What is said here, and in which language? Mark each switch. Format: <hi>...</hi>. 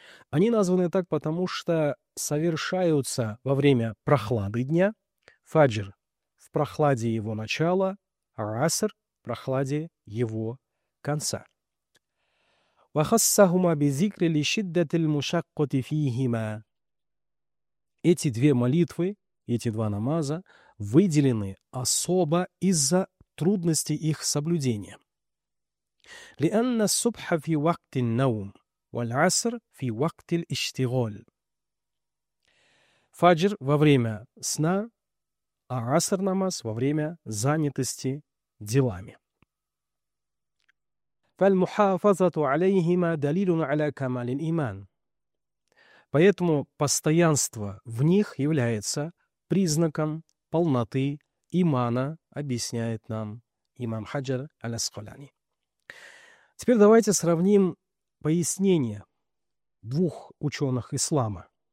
<ru>Они названы так, потому что совершаются во время прохлады дня, фаджр – в прохладе его начала, аср – в прохладе его конца.</ru> <ar>وَخَصَّهُمَا بِذِكْرِ لِشِدَّةِ الْمُشَقَّةِ فِيهِمَا.</ar> <ru>Эти две молитвы, эти два намаза – выделены особо из-за трудности их соблюдения.</ru> <ar>لأن الصبح في وقت النوم والعصر في وقت الاشتغال.</ar> <ru>Фаджр во время сна, а аср намаз во время занятости делами.</ru> <ar>فالمحافظه عليهما دليل على كمال الايمان.</ar> <ru>Поэтому постоянство в них является признаком полноты имана, объясняет нам имам Хаджр аль-Аскалани. Теперь давайте сравним пояснение двух ученых ислама.</ru>